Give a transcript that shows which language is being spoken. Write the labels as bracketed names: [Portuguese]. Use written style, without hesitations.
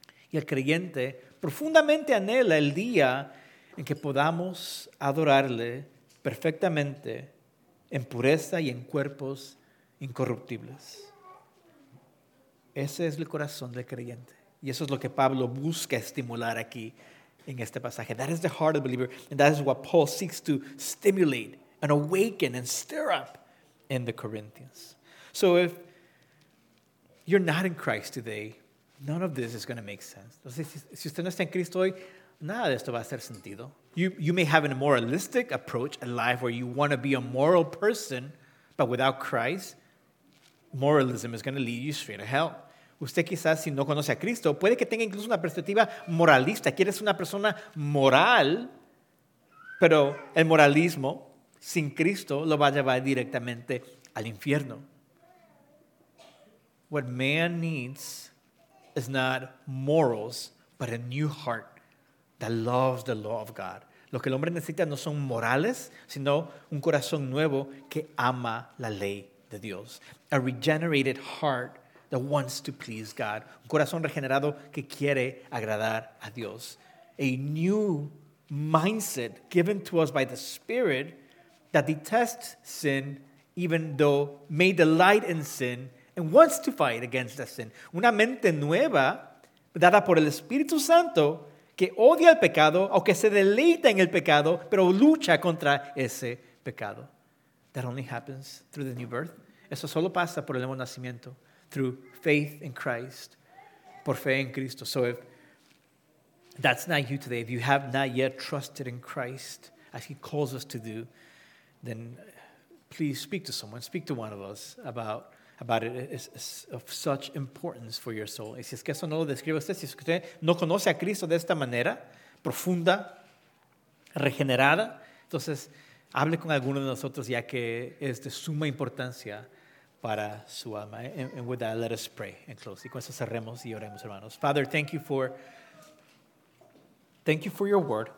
[Spanish] Y el creyente profundamente anhela el día en que podamos adorarle perfectamente en pureza y en cuerpos incorruptibles. Ese es el corazón del creyente. Y eso es lo que Pablo busca estimular aquí en este pasaje. [English] That is the heart of the believer. And that is what Paul seeks to stimulate and awaken and stir up in the Corinthians. So if you're not in Christ today, none of this is going to make sense. [Spanish] Entonces, si usted no está en Cristo hoy, nada de esto va a hacer sentido. [English] You may have a moralistic approach a life where you want to be a moral person, but without Christ, moralism is going to lead you straight to hell. [Spanish] Usted quizás, si no conoce a Cristo, puede que tenga incluso una perspectiva moralista. Quiere ser una persona moral, pero el moralismo sin Cristo lo va a llevar directamente al infierno. [English] What man needs is not morals, but a new heart that loves the law of God. [Spanish] Lo que el hombre necesita no son morales, sino un corazón nuevo que ama la ley de Dios. [English] A regenerated heart that wants to please God. [Spanish] Un corazón regenerado que quiere agradar a Dios. [English] A new mindset given to us by the Spirit that detests sin, even though may delight in sin and wants to fight against the sin. [Spanish] Una mente nueva dada por el Espíritu Santo que odia el pecado o que se deleita en el pecado, pero lucha contra ese pecado. [English] That only happens through the new birth. [Spanish] Eso solo pasa por el nuevo nacimiento, [English] through faith in Christ, [Spanish] por fe en Cristo. [English] So if that's not you today, if you have not yet trusted in Christ as he calls us to do, then please speak to someone, speak to one of us about it. It's of such importance for your soul. [Spanish] Y si es que eso no lo describe usted, si es que usted no conoce a Cristo de esta manera, profunda, regenerada, entonces hable con alguno de nosotros ya que es de suma importancia para su alma. [English] And with that, let us pray and close. [Spanish] Y con eso cerremos y oremos, hermanos. [English] Father, thank you for your word.